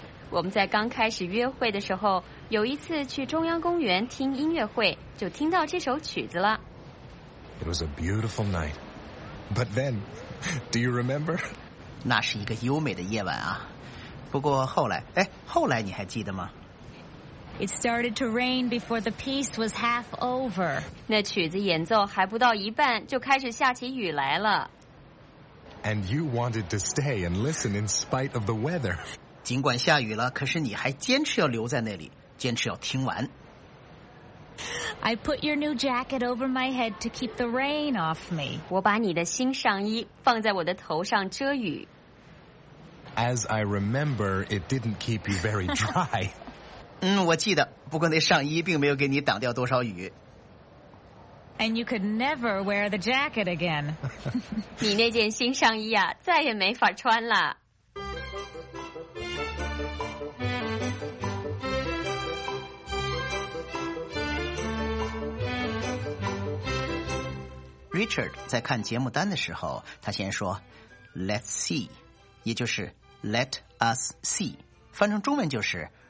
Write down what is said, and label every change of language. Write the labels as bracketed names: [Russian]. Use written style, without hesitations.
[Chinese] 我们在刚开始约会的时候有一次去中央公园听音乐会就听到这首曲子了。 [English] It was a beautiful night. But then, do you remember? [Chinese] 那是一个优美的夜晚啊。不过后来哎后来你还记得吗 [English] It started to rain before the piece was half over. [Chinese] 那曲子演奏还不到一半就开始下起雨来了。 [English] And you wanted to stay and listen in spite of the weather. [Chinese] 尽管下雨了可是你还坚持要留在那里坚持要听完。 [English] I put your new jacket over my head to keep the rain off me. [Chinese] 我把你的新上衣放在我的头上遮雨。 [English] As I remember, it didn't keep you very dry. [Chinese] 嗯，我记得，不过那上衣并没有给你挡掉多少雨。 [English] And you could never wear the jacket again. [Chinese] 你那件新上衣啊，再也没法穿了。 Richard 在看节目单的时候，他先说 [English] "Let's see"， [Chinese] 也就是 [English] "Let us see"， [Chinese] 翻成中文就是。